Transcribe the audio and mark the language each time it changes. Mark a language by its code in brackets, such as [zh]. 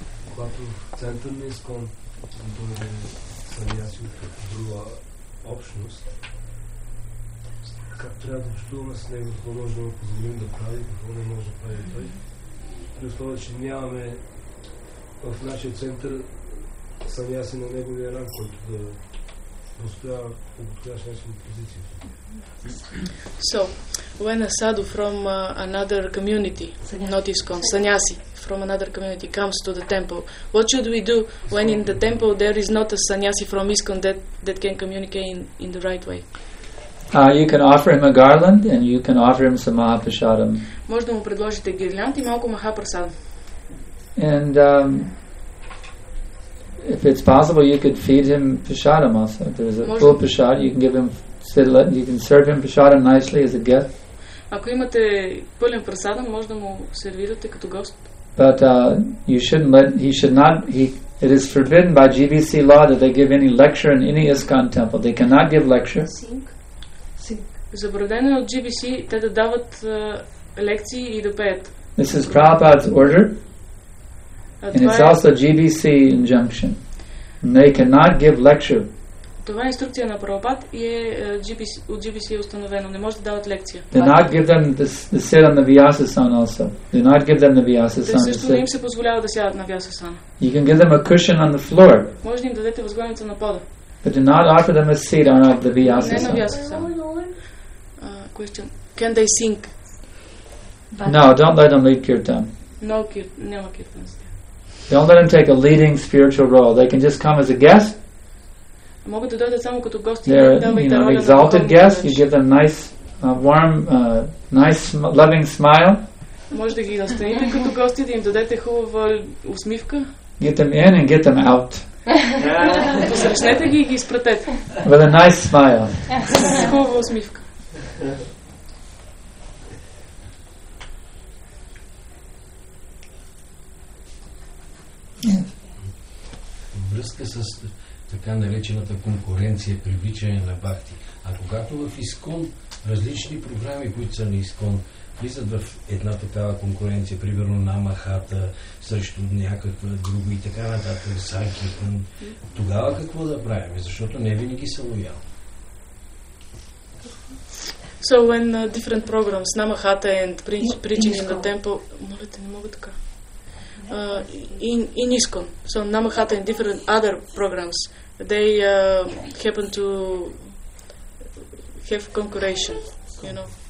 [bg] Когато в център на ИСКОН бъде саньяси от друга общност, как трябва да общуваме с него, какво може да го позволим да прави, какво не може да прави той, при условие, че нямаме в нашия център саньяси на неговия ранг, който да постоява по подходящ начин позицията. [en] So, when a sadhu from another community, not ISKCON, sannyasi, from another community comes to the temple, what should we do when in the temple there is not a sannyasi from ISKCON that can communicate in the right way? You can offer him a garland and you can offer him some mahaprasadam. [bg] Може да му предложите гирлянд и малко махапрасадам. [en] And if it's possible, you could feed him prasadam also. There is a full prasad, you can give him. You can serve him prasadam nicely as a gift. [bg] Ако имате пълен прасадам, може да му сервирате като гост. [en] But you shouldn't let. He should not. It is forbidden by GBC law that they give any lecture in any ISKCON temple. They cannot give lecture. [bg] Забранено е от GBC те да дават лекции и да пеят. [en] This is Prabhupada's order, and it's also GBC injunction. And they cannot give lecture. [bg] Това е инструкция на Прабхупад и е от GBC е установено. Не може да дават лекция. [en] Do not give them the sit on the Vyasa san also. Do not give them the Vyasa san. [bg] Те също не им се позволява да сядат на Vyasa san. [en] You can give them a cushion on the floor. [bg] Може да им дадете възглавница на пода. [en] But do not offer them a seat on the Vyasa san. [bg] Не на Vyasa san. [en] Question. Can they sing? No, don't let them lead kirtan. [bg] No, няма kirtan. [en] Don't let them take a leading spiritual role. They can just come as a guest. [bg] Могат да дойдат само като гости. [en] They're, you know, exalted guests. You give them nice, warm, nice, loving smile. [bg] Може да ги настаните като гости, да им дадете хубава усмивка. [en] Get them in and get them out. [bg] Посрещнете ги и ги изпратете. [en] With a nice smile. [bg] С хубава усмивка. Връзка с така наречената конкуренция, привличане на бхакти. А когато в ИСКОН различни програми, които са на ИСКОН, влизат в една такава конкуренция, примерно на махата, срещу някаква друга и така нататък, санкиртан, тогава какво да правим? Защото не винаги са лоялни. [en] So when different programs, Namahata and preaching in the temple, [bg] молете, не мога така. [en] In ISKCON, so Namahata and different other programs, they happen to have concurrence, you know.